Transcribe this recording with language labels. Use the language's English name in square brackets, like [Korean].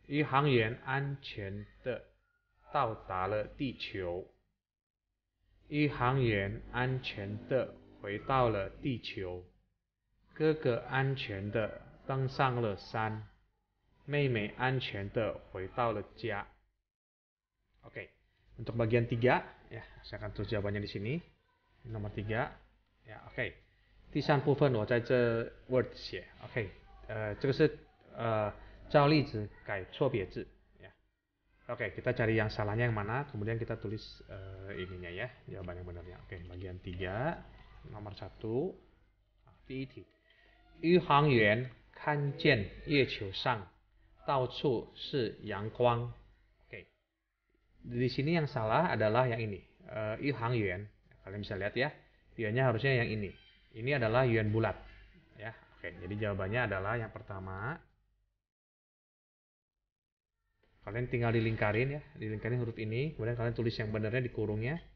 [Chinese] Yi Hang Yuan 安全的到达了地球。 Yi Hang Yuan 安全的回到了地球，哥哥安全地登上了山，妹妹安全地回到了家。 [Indonesian] Oke, untuk bagian tiga, ya, saya akan tulis jawabannya di sini. Nomor tiga, ya, oke. [Chinese] 第三部分我在这 word 写 ，oke， 这个是照例子改错别字，ya. [Indonesian] Oke, kita cari yang salahnya yang mana, kemudian kita tulis ininya ya, jawaban yang benarnya. Oke, bagian tiga。 Nomor satu, [Chinese] 第一题，宇航员看见月球上到处是阳光。 [Indonesian] Oke, di sini yang salah adalah yang ini. Yu Hang Yuan, kalian bisa lihat ya, yuan-nya harusnya yang ini. Ini adalah yuan bulat. Ya, oke. Jadi jawabannya adalah yang pertama. Kalian tinggal dilingkarin ya, dilingkarin huruf ini. Kemudian kalian tulis yang benarnya di kurungnya.